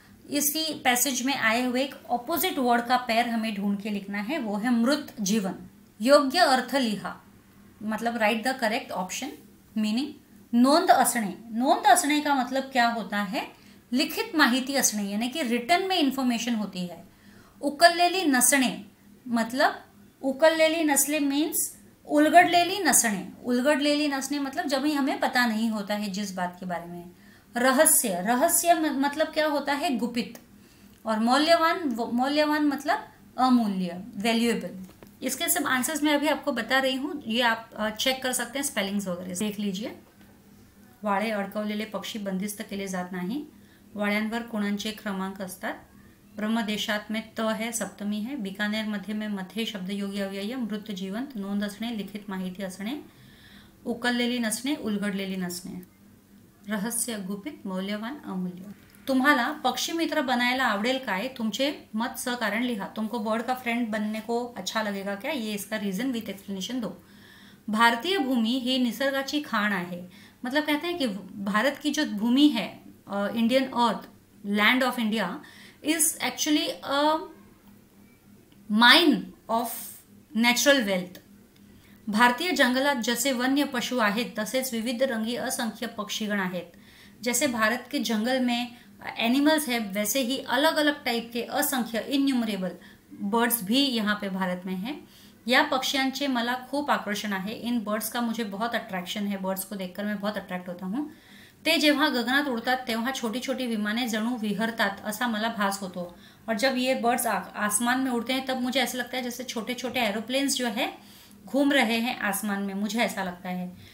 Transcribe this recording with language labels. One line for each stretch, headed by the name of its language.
Hindi: इसी पैसेज में आए हुए एक ऑपोजिट वर्ड का पैर हमें ढूंढ के लिखना है, वो है मृत जीवन।
Marathi: योग्य अर्थ लिहा
Hindi: मतलब
English: Right the correct option meaning.
Hindi: नोंद असणे, नोंद असणे का मतलब क्या होता है? लिखित माहिती असणे यानी कि रिटर्न में इंफॉर्मेशन होती है। उकललेली नसणे मतलब उकललेली नसले मीन्स उलगडलेली नसणे, उलगडलेली नसणे मतलब जब ही हमें पता नहीं होता है जिस बात के बारे में। रहस्य, रहस्य मतलब क्या होता है? गुपित। और मौल्यवान, मौल्यवान मतलब अमूल्य, वैल्यूएबल। इसके सब आंसर्स मैं अभी आपको बता रही हूँ, ये आप चेक कर सकते हैं स्पेलिंग्स वगैरह देख लीजिए।
Marathi: वाळे अडकवलेले पक्षी बंदिस्त केले जात नाही, वाळ्यांवर कोणांचे क्रमांक असतात, ब्रह्मदेशात में त है सप्तमी है, बिकानेर मध्य में मध्य शब्द योगी अव्यय, मृत जीवंत, नोंद असणे, लिखित माहिती असणे, उकललेली नसणे, उलगडलेली नसणे, रहस्य, गुपित, मौल्यवान, अमूल्य। तुम्हाला पक्षी मित्र बनायला आवडेल काय? तुमचे मत सहकारण लिहा।
Hindi: तुमको बर्ड का फ्रेंड बनने को अच्छा लगेगा क्या? ये इसका रीजन विथ एक्सप्लेनेशन दो।
Marathi: भारतीय भूमि ही निसर्गाची खाण आहे,
Hindi: मतलब कहते हैं कि भारत की जो भूमि है,
English: Indian earth, land of India, is actually a mine of natural wealth.
Marathi: भारतीय जंगलात जसे वन्य पशु आहेत तसेच विविध रंगी असंख्य पक्षीगण आहेत।
Hindi: जैसे भारत के जंगल में एनिमल्स है, वैसे ही अलग अलग टाइप के असंख्य इन्यूमरेबल बर्ड्स भी यहाँ पे भारत में हैं।
Marathi: या पक्षियांचे मला खूप आकर्षण आहे,
Hindi: इन बर्ड्स का मुझे बहुत अट्रैक्शन है, बर्ड्स को देखकर मैं बहुत अट्रैक्ट होता हूँ।
Marathi: ते जेव्हा गगनात उडतात तेव्हा छोटी छोटी विमाने जणू विहरतात असा मला भास होतो,
Hindi: और जब ये बर्ड्स आसमान में उड़ते हैं तब मुझे ऐसा लगता है जैसे छोटे छोटे एरोप्लेन्स जो है घूम रहे हैं आसमान में, मुझे ऐसा लगता है।